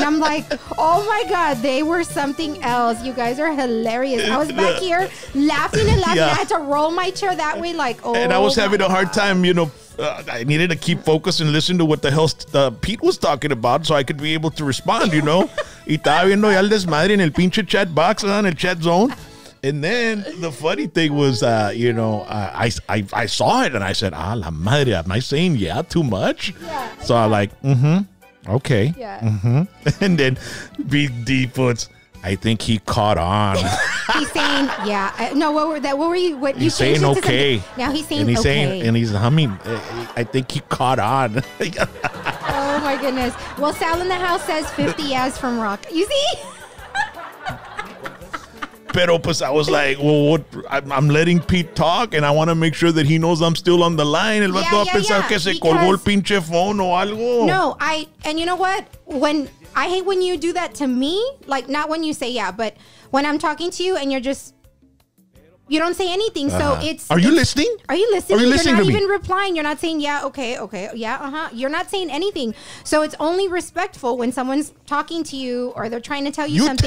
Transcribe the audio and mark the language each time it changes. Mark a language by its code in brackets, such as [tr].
[en] I'm like, oh my God, they were something else. You guys are hilarious. I was back here laughing and laughing. Yeah. I had to roll my chair that way, like, oh. And I was having God. A hard time, you know. I needed to keep focused and listen to what the hell Pete was talking about so I could be able to respond, you know? [es] Y estaba viendo ya el desmadre en el pinche [en] chat box, [es] en el chat zone. [en] And then the funny thing was, you know, I saw it and I said, [es] ah, la madre, [en] am I saying yeah too much? Yeah. So I'm like, mm-hmm, okay. Yeah. Mm-hmm. And then BD puts, I think he caught on. He's saying, yeah. No, what were that? What were you? What he's you saying? Okay. Something. Now he's saying, and he's okay. Saying, and he's humming. I think he caught on. Oh, my goodness. Well, Sal in the house says 50 yes from Rock. You see? [es] Pero pues, [en] I was like, well, what? I'm letting Pete talk, and I want to make sure that he knows I'm still on the line. [es] El vato va a pensar que se colgó el pinche phone o algo. [en] No, and you know what? When I hate when you do that to me, like, not when you say yeah, but when I'm talking to you and you're just You don't say anything. Uh-huh. So it's. Are you listening? Are you listening? Are you listening? You're not even replying. You're not saying, yeah, okay, okay, yeah, uh-huh. You're not saying anything. So it's only respectful when someone's talking to you or they're trying to tell you something.